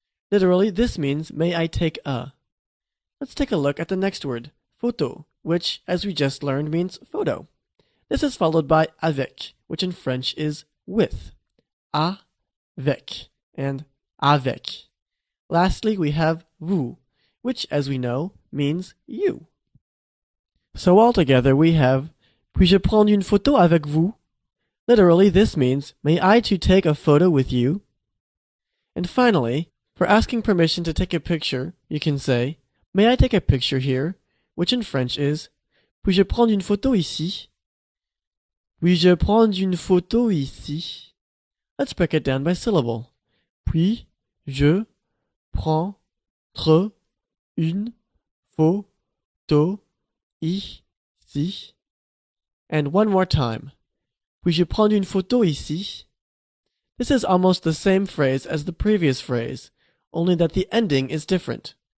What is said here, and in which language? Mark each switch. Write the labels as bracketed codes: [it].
[en] Literally, this means may I take a. Let's take a look at the next word, photo, which, as we just learned, means photo. This is followed by avec, which in French is with. Avec and avec. Lastly, we have vous, which, as we know, means you. So altogether, we have [fr] puis-je prendre une photo avec vous? [en] Literally, this means may I to take a photo with you? And finally, for asking permission to take a picture, you can say may I take a picture here? Which in French is [fr] puis-je prendre une photo ici? Puis-je prendre une photo ici? [en] Let's break it down by syllable. [fr] Puis-je prendre une photo ici? [en] And one more time. [fr] Puis-je prendre une photo ici? [en] This is almost the same phrase as the previous phrase, only that the ending is different.